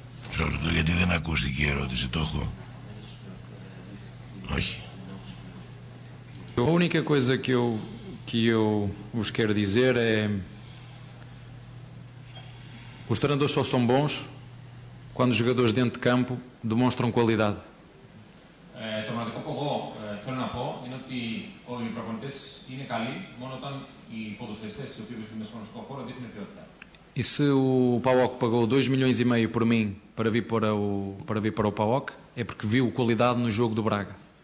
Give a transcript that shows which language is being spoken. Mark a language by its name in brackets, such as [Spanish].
[Greek] Σας ρωτώ γιατί δεν ακούστηκε η ερώτηση, το έχω. Όχι. [Portuguese] A única coisa que eu vos quero dizer é os treinadores só são bons quando os jogadores dentro de campo demonstram qualidade. [Greek] Το μοναδικό που εγώ θέλω να πω είναι ότι οι προπονητές είναι καλοί μόνο όταν οι ποδοσφαιριστές οι οποίοι βρίσκονται στον αγωνιστικό χώρο δείχνουν ποιότητα. [Portuguese] E se o PAOK pagou 2 milhões e meio por mim para vir para o PAOK é porque viu qualidade no jogo do Braga.